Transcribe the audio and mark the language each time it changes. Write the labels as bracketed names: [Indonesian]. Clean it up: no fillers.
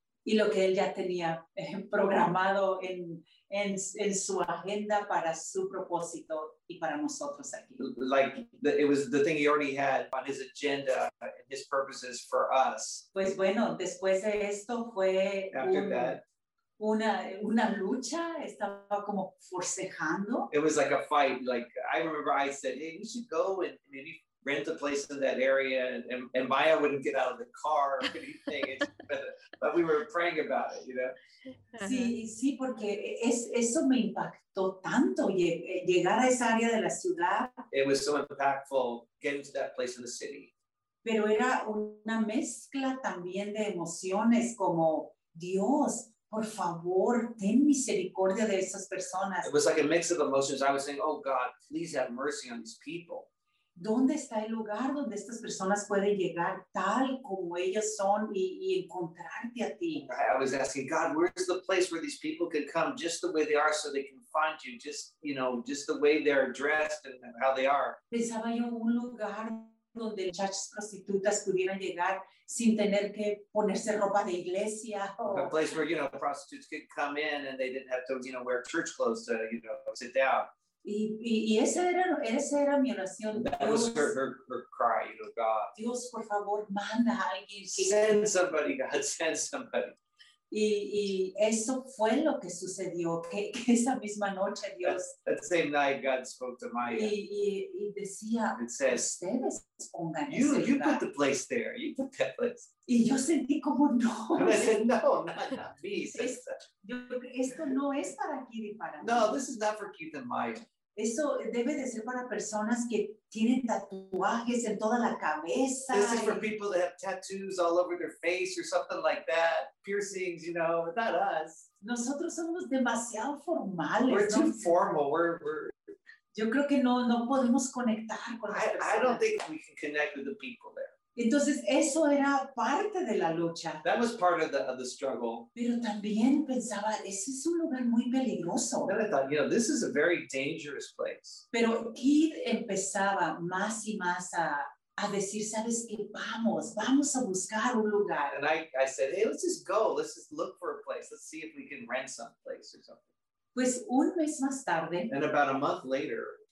[Spanish] y lo que él ya tenía programado en su agenda para su propósito y para nosotros aquí. [English] Like, it was the thing he already had on his agenda and his purposes for us. [Spanish] Pues bueno, después de esto fue una lucha, estaba como forcejando. [English] It was like a fight. Like, I remember I said, hey, we should go and maybe rent a place in that area, and Maya wouldn't get out of the car or anything. But we were praying about it, you know? [Spanish] Sí, sí, porque eso me impactó tanto, llegar a esa área de la ciudad. [English] It was so impactful getting to that place in the city. [Spanish] Pero era una mezcla también de emociones como, Dios, por favor, ten misericordia de esas personas. [English] It was like a mix of emotions. I was saying, oh God, please have mercy on these people. [Spanish] ¿Dónde está el lugar donde estas personas pueden llegar tal como ellas son y encontrarte a ti? [English] I was asking God, where's the place where these people could come just the way they are so they can find you, just the way they're dressed and how they are. [Spanish] Pensaba yo un lugar donde muchachas prostitutas pudieran llegar sin tener que ponerse ropa de iglesia. [English] A place where, you know, prostitutes could come in and they didn't have to, you know, wear church clothes to, you know, sit down. [Spanish] Y esa era mi oración. [English] That was her cry, you know, God. [Spanish] Dios, por favor, manda a alguien. [English] Send somebody, God, send somebody. [Spanish] Y eso fue lo que sucedió, que esa misma noche, Dios. [English] That same night, God spoke to Maya. [Spanish] Y decía, [English] it says, [Spanish] ustedes pongan ese lugar. [English] You put the place there, you put that place. [Spanish] Y yo sentí como, no. [English] And I said, no, not me. [Spanish] Esto no es para Kitty y para mí. [English] No, this is not for Keith and Maya. [Spanish] Eso debe de ser para personas que tienen tatuajes en toda la cabeza. [English] This is for people that have tattoos all over their face or something like that. Piercings, you know, not us. [Spanish] Nosotros somos demasiado formales. [English] We're too formal. [Spanish] Yo creo que no podemos conectar con las personas. [English] I don't think we can connect with the people there. [Spanish] Entonces, eso era parte de la lucha. [English] That was part of the struggle. [Spanish] Pero también pensaba, ese es un lugar muy peligroso. [English] Then I thought, you know, this is a very dangerous place. [Spanish] Pero Keith empezaba más y más a decir, ¿sabes qué? Vamos a buscar un lugar. [English] And I said, hey, let's just go. Let's just look for a place. Let's see if we can rent some place or something. [Spanish] Pues un mes más tarde. [English] And about a month later.